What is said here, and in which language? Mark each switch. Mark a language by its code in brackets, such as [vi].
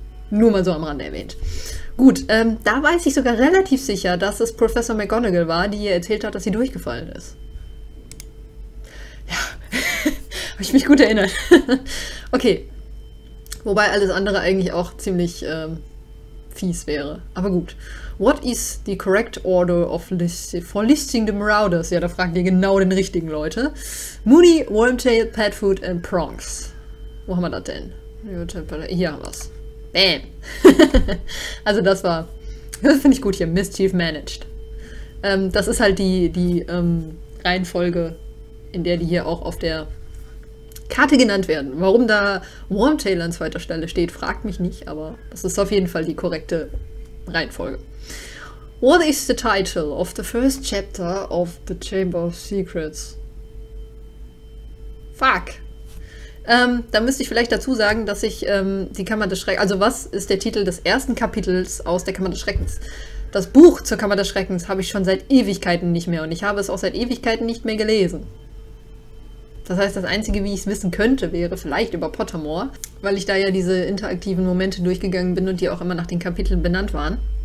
[de] Nur mal so am Rande erwähnt. Gut, da weiß ich sogar relativ sicher, dass es Professor McGonagall war, die ihr erzählt hat, dass sie durchgefallen ist. Habe ich mich gut erinnert. Okay. Wobei alles andere eigentlich auch ziemlich fies wäre. Aber gut. [en] What is the correct order of list for listing the Marauders? [de] Ja, da fragen wir genau den richtigen Leute. Moody, Wormtail, Padfoot and Prongs. Wo haben wir das denn? Hier haben wir es. Bäm. Also das war. Das finde ich gut hier. [en] Mischief managed. [de] Das ist halt die Reihenfolge, in der die hier auch auf der Karte genannt werden. Warum da Wormtail an zweiter Stelle steht, fragt mich nicht, aber das ist auf jeden Fall die korrekte Reihenfolge. [en] What is the title of the first chapter of the Chamber of Secrets? Fuck! [de] Da müsste ich vielleicht dazu sagen, dass ich die Kammer des Schreckens. Also, was ist der Titel des ersten Kapitels aus der Kammer des Schreckens? Das Buch zur Kammer des Schreckens habe ich schon seit Ewigkeiten nicht mehr und ich habe es auch seit Ewigkeiten nicht mehr gelesen. Das heißt, das Einzige, wie ich es wissen könnte, wäre vielleicht über Pottermore, weil ich da ja diese interaktiven Momente durchgegangen bin und die auch immer nach den Kapiteln benannt waren.